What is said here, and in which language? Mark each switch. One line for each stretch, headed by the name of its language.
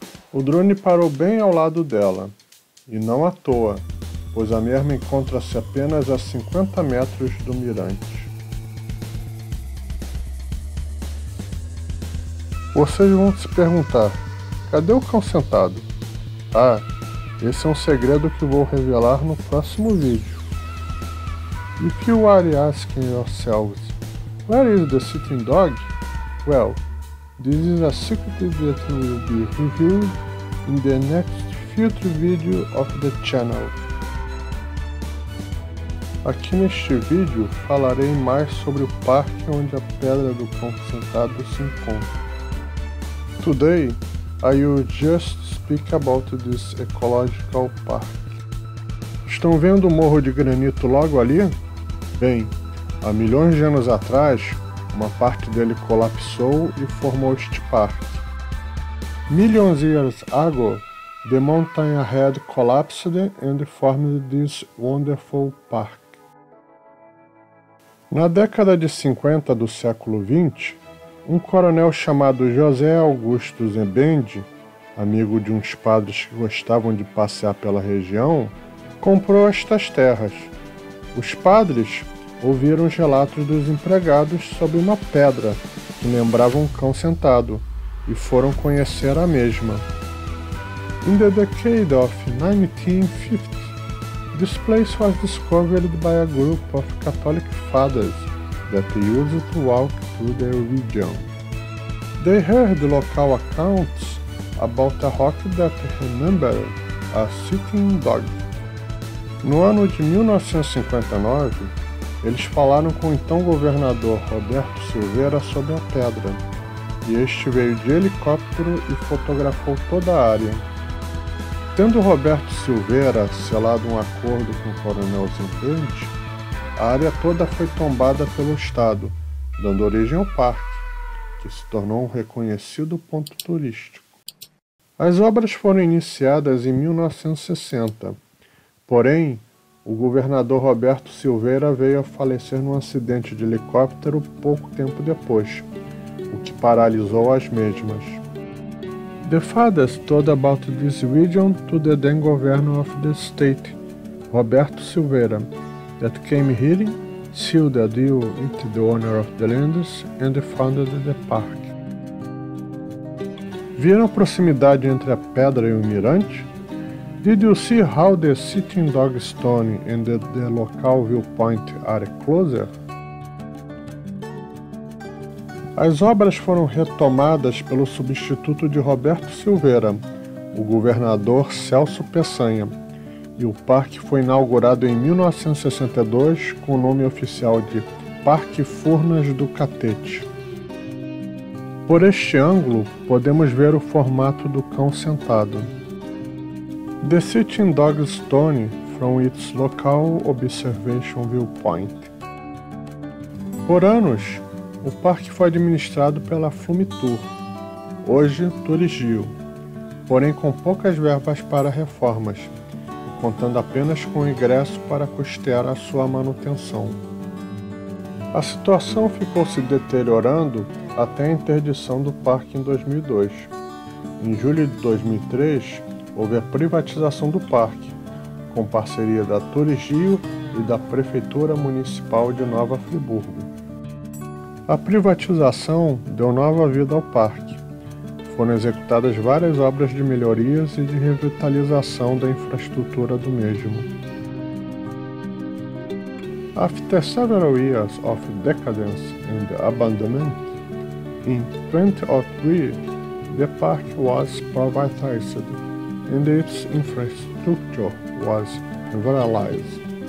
Portuguese: O drone parou bem ao lado dela, e não à toa, pois a mesma encontra-se apenas a 50 metros do mirante. Vocês vão se perguntar, cadê o cão sentado? Ah, esse é um segredo que vou revelar no próximo vídeo.
English: If you are asking yourselves, where is the sitting dog? Well, this is a secret that will be revealed in the next future video of the channel.
Portuguese: Aqui neste vídeo falarei mais sobre o parque onde a Pedra do Cão Sentado se encontra.
English: Today, I will just speak about this ecological park.
Portuguese: Estão vendo o morro de granito logo ali? Bem, há milhões de anos atrás, uma parte dele colapsou e formou este parque.
English: Millions years ago, the mountain ahead collapsed and formed this wonderful park.
Portuguese: Na década de 50 do século 20, um coronel chamado José Augusto Zembende, amigo de uns padres que gostavam de passear pela região, comprou estas terras. Os padres ouviram os relatos dos empregados sobre uma pedra que lembrava um cão sentado e foram conhecer a mesma.
English: In the decade of 1950, this place was discovered by a group of Catholic fathers that used to walk through the region. They heard local accounts about a rock that remembered a sitting dog.
Portuguese: No ano de 1959, eles falaram com o então governador Roberto Silveira sobre a pedra, e este veio de helicóptero e fotografou toda a área. Tendo Roberto Silveira selado um acordo com o coronel Zimbrandt, a área toda foi tombada pelo Estado, dando origem ao parque, que se tornou um reconhecido ponto turístico. As obras foram iniciadas em 1960, porém, o governador Roberto Silveira veio a falecer num acidente de helicóptero pouco tempo depois, o que paralisou as mesmas.
English: The father told about this region to the then governor of the state, Roberto Silveira, that came here, sealed a deal with the owner of the lands and founded the park.
Portuguese: Viram a proximidade entre a pedra e o mirante?
English: Did you see how the sitting dog stone and the local viewpoint are closer?
Portuguese: As obras foram retomadas pelo substituto de Roberto Silveira, o governador Celso Peçanha, e o parque foi inaugurado em 1962 com o nome oficial de Parque Furnas do Catete. Por este ângulo, podemos ver o formato do cão sentado.
English: The sitting dog stone from its local observation viewpoint.
Portuguese: Por anos, o parque foi administrado pela Flumitur, hoje Turigio, porém com poucas verbas para reformas, contando apenas com o ingresso para custear a sua manutenção. A situação ficou se deteriorando até a interdição do parque em 2002. Em julho de 2003, houve a privatização do parque, com parceria da Turigio e da Prefeitura Municipal de Nova Friburgo. A privatização deu nova vida ao parque. Foram executadas várias obras de melhorias e de revitalização da infraestrutura do mesmo.
English: After several years of decadence and abandonment, in 2003, the park was privatized and its infrastructure was liberalized.